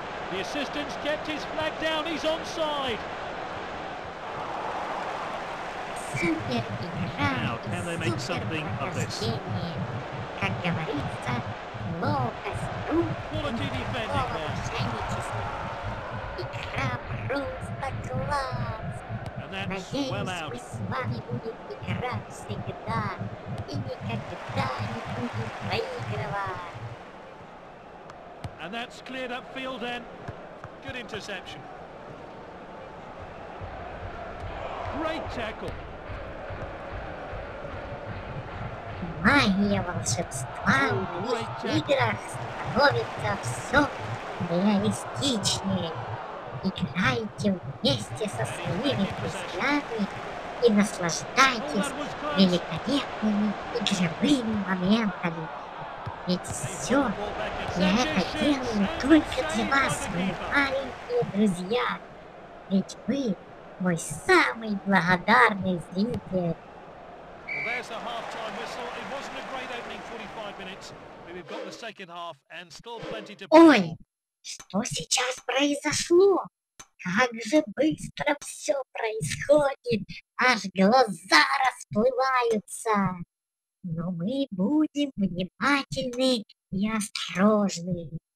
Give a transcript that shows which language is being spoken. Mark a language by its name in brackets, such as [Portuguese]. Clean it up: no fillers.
[English] The assistant's kept his flag down, he's onside! [Russian] Super игра! [English] Now, can they make something of this? [Russian] Как говорится, ловкость рук и никакого мошенничества. Игра просто класс! Надеюсь, мы с вами будем играть всегда и никогда не будем проигрывать! [English] And that's cleared up field and good interception. Great tackle. [Russian] Магия волшебства в моих играх становится все реалистичнее. Играйте вместе со своими друзьями и наслаждайтесь великолепными игровыми моментами. Ведь все я это делаю только для вас, мои маленькие друзья. Ведь вы мой самый благодарный зритель. [English] There's the half-time whistle. It wasn't a great opening 45 minutes, but we've got the second half and still plenty to play. [Russian] Ой, что сейчас произошло? Как же быстро все происходит, аж глаза расплываются. Но мы будем внимательны и осторожны.